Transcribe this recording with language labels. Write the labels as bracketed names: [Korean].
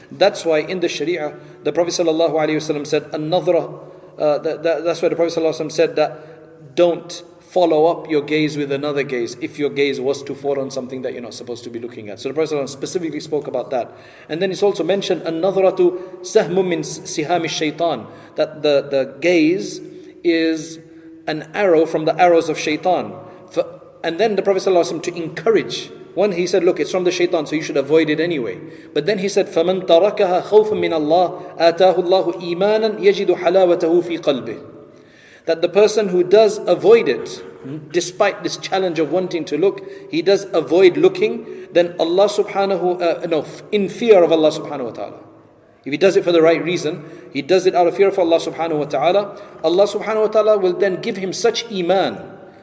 [English] That's why in the Sharia, the Prophet ﷺ said, that's why the Prophet ﷺ said that don't follow up your gaze with another gaze if your gaze was to fall on something that you're not supposed to be looking at. So the Prophet ﷺ specifically spoke about that. And then it's also mentioned, an-nadhratu sahmun min siham ash-shaytan, that the gaze is an arrow from the arrows of shaitan. And then the Prophet ﷺ to encourage, one, he said, look, it's from the shaitan, so you should avoid it anyway. But then he said, [Arabic] فَمَنْ تَرَكَهَا خَوْفًا مِّنَ اللَّهِ آتَاهُ اللَّهُ إِيمَانًا يَجِدُ حَلَاوَتَهُ فِي قَلْبِهِ. [English] That the person who does avoid it, despite this challenge of wanting to look, he does avoid looking, then Allah subhanahu, in fear of Allah subhanahu wa ta'ala. If he does it for the right reason, he does it out of fear of Allah subhanahu wa ta'ala, Allah subhanahu wa ta'ala will then give him such iman.